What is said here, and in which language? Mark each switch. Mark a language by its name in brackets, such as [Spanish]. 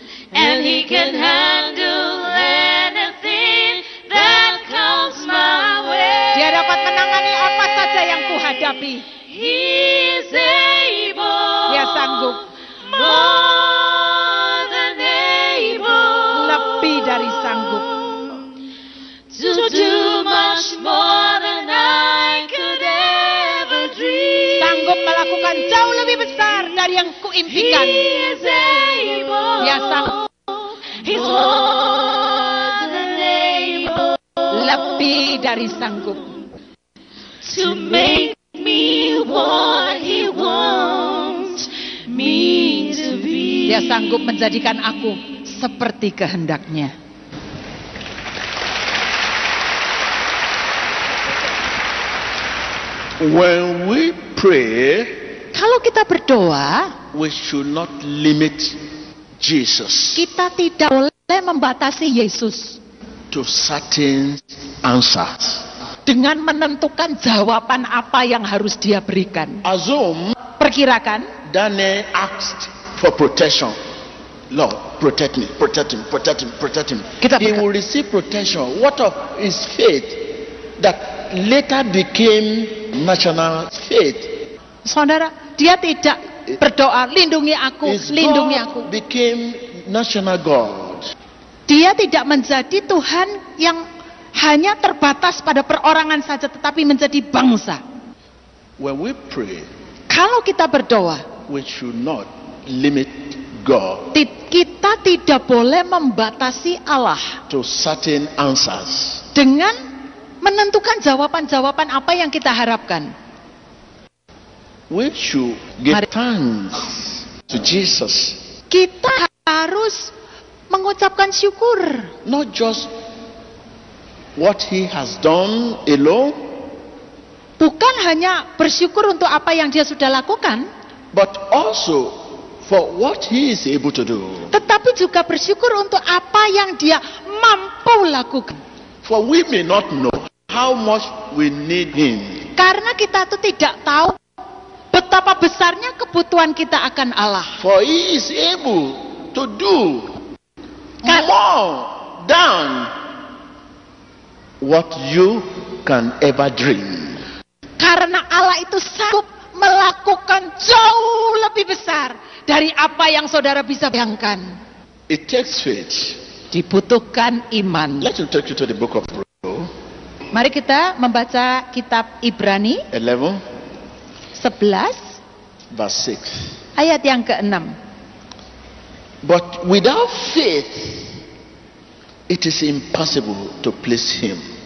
[English] And He can handle anything that comes my way. [Indonesian] Dia dapat menangani apa saja yang kuhadapi. [English] He is able. [Indonesian] Dia sanggup. [English] More than able. [Indonesian] Lebih dari sanggup. [English] To do much more than I could ever dream. [Indonesian] Sanggup melakukan jauh lebih besar dari yang kuimpikan. [English] He is able. [Indonesian] Dia sanggup. [English] He's more than able. [Indonesian] Lebih dari sanggup. [English] To make me what He wants me to be. [Indonesian] Dia sanggup menjadikan aku seperti kehendaknya. [English] When we pray, [Indonesian] kalau kita berdoa, [English] we should not limit Jesus. [Indonesian] Kita tidak boleh membatasi Yesus. [English] To certain answers. [Indonesian] Dengan menentukan jawaban apa yang harus Dia berikan. [English] Assume. [Indonesian] Perkirakan. [English] Daniel asked for protection. Lord, protect me, protect him, protect him, protect him. He will receive protection. What of his faith that later became national faith? [Indonesian] Saudara, dia tidak berdoa, lindungi aku, [English] his [Indonesian] lindungi [English] God [Indonesian] aku. [English] Became national God. [Indonesian] Dia tidak menjadi Tuhan yang hanya terbatas pada perorangan saja, tetapi menjadi bangsa. [English] When we pray, [Indonesian] kalau kita berdoa, [English] we should not limit God. [Indonesian] Kita tidak boleh membatasi Allah. [English] To certain answers. [Indonesian] Dengan menentukan jawaban-jawaban apa yang kita harapkan. [English] We should give thanks to Jesus. [Indonesian] Kita harus mengucapkan syukur. [English] Not just what He has done alone. [Indonesian] Bukan hanya bersyukur untuk apa yang Dia sudah lakukan. [English] But also for what He is able to do. [Indonesian] Tetapi juga bersyukur untuk apa yang Dia mampu lakukan. [English] For we may not know how much we need Him. [Indonesian] Karena kita itu tidak tahu betapa besarnya kebutuhan kita akan Allah. [English] For He is able to do more than what you can ever dream. [Indonesian] Karena Allah itu sanggup melakukan jauh lebih besar dari apa yang saudara bisa bayangkan. [English] It takes faith. [Indonesian] Dibutuhkan iman. [English] Let me take you to the book of Romans. [Indonesian] Mari kita membaca kitab Ibrani. [English] 11. [Indonesian] 11 [English] verse 6. [Indonesian] Ayat yang ke-6. [English] But without faith it is impossible to please Him.